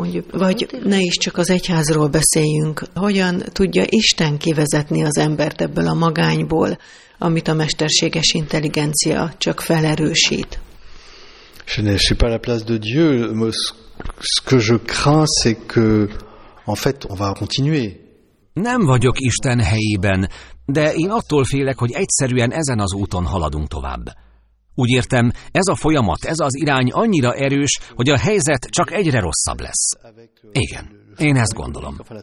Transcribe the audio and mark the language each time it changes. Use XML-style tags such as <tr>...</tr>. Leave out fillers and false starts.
<hu>Vagy ne is csak az egyházról beszéljünk. Hogyan tudja Isten kivezetni az embert ebből a magányból, amit a mesterséges intelligencia csak felerősít?</hu> <fr>Je ne suis pas à la place de Dieu. Ce que je crains, c'est que, en fait, on va continuer.</fr> <hu>Nem vagyok Isten helyében, de én attól félek, hogy egyszerűen ezen az úton haladunk tovább. Úgy értem, ez a folyamat, ez az irány annyira erős, hogy a helyzet csak egyre rosszabb lesz. Igen, én ezt gondolom.</hu>